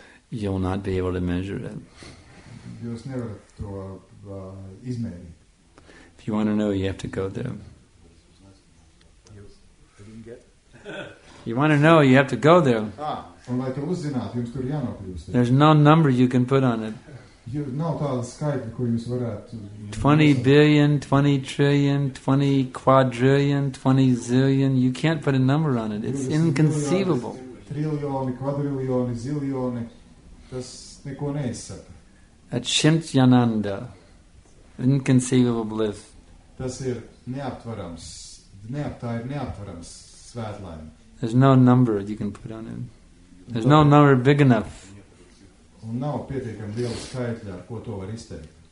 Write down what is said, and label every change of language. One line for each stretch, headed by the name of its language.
English: You will not be able to measure it.
Latvian: Jūs nevarat to izmērīt.
English: If you want to know, you have to go there. You want to know, you have to go there.
Latvian: Un lai to uzzināt, jums tur jānokļūst.
English: There's no number you can put on it.
Latvian: Nav tādas skaitas, ko jūs varētu...
English: 20 billion, 20 trillion, 20 quadrillion, 20 zillion. You can't put a number on it. It's inconceivable.
Latvian: Trillioni, quadrillioni, zillioni. Tas neko neizsaka.
English: Acintyananda. Inconceivable bliss.
Latvian: Tas ir neaptvarams. Tā ir neaptvarams svētlaime.
English: There's no number you can put on it. There's no number big enough.
Latvian: Un nav pietiekami liela skaitļa, ko to var izteikt.